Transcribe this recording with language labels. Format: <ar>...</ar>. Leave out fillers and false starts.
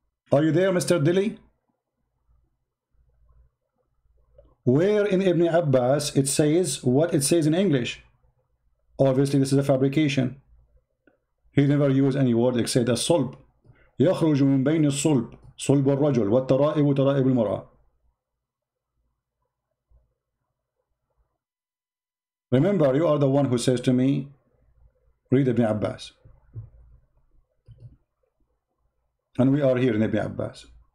<en>Are you there, Mr. Dilly? Where in Ibn Abbas it says what it says in English? Obviously, this is a fabrication. He never used any word except as-sulb.</en> <ar>يخرج من بين الصلب صلب الرجل والترائب ترائب المرأة.</ar> <en>Remember, you are the one who says to me, read Ibn Abbas. And we are here in Ibn Abbas.</en>